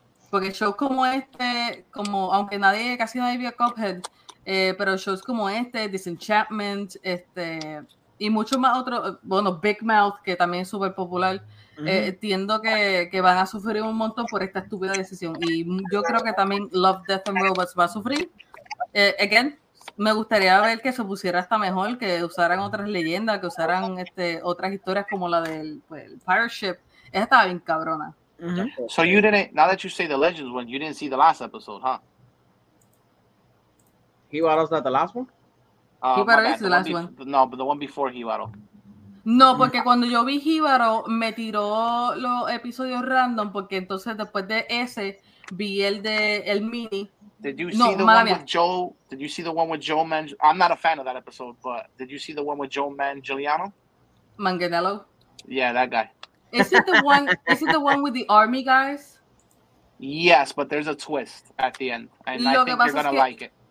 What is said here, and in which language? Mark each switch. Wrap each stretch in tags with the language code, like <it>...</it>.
<es>Porque shows como este, como aunque casi nadie vio Cuphead, pero shows como este, Disenchantment, y muchos más otros, bueno, Big Mouth, que también es súper popular, entiendo que van a sufrir un montón por esta estúpida decisión. Y yo creo que también Love, Death and Robots va a sufrir. Again, me gustaría ver que se pusiera hasta mejor, que usaran otras leyendas, que usaran otras historias como la del, pues, el Pirate Ship. Esa estaba bien cabrona. Mm-hmm.</es> <en>So you didn't, now that you say the Legends one, you didn't see the last episode, huh? Hiwaro's not the last one? Hiwaro is the last one. No, but the one before Hiwaro.</en> <es>No, porque cuando yo vi Hiwaro, me tiró los episodios random, porque entonces después de ese, vi el de el mini.</es> <en>Did you see the one with Joe Mangiliano? I'm not a fan of that episode, but did you see the one with Joe Mangiliano? Manganiello? Yeah, that guy. Is it the one with the army guys? Yes, but there's a twist at the end. And I think you're going to like it.</en>